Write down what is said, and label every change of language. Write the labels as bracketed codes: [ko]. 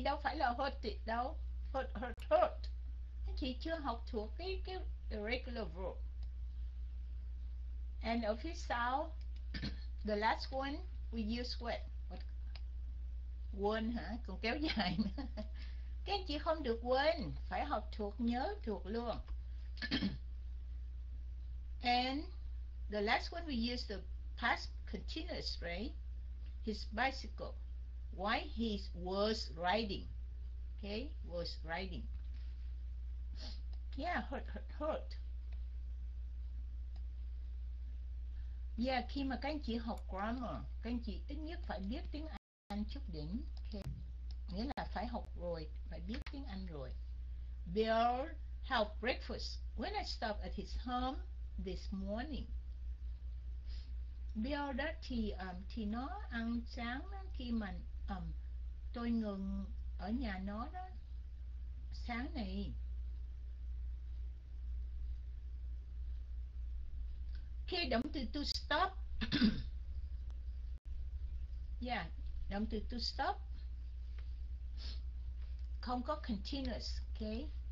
[vi] Đâu phải là hurt it đâu. [en] Hurt, hurt, hurt. [vi] Các anh chị chưa học thuộc cái regular verb. [en] And [vi] ở phía sau, [en] the last one, we use what? [vi] Quên hả? Còn kéo dài nữa. Các anh chị không được quên, phải học thuộc, nhớ thuộc luôn. [en] And the last one we use the past continuous, right? His bicycle. Why he was riding. Okay? Was riding. Yeah, hurt, hurt, hurt. [vi] Yeah, khi mà các anh chị học grammar, các anh chị ít nhất phải biết tiếng Anh chút đỉnh. Okay? Nghĩa là phải học rồi, phải biết tiếng Anh rồi. [en] Bill had breakfast when I stopped at his home this morning. [vi] Bill đó thì nó ăn sáng đó khi mà tôi ngừng ở nhà nó đó sáng này. Khi động từ to stop, yeah, động từ to stop không có continuous, okay?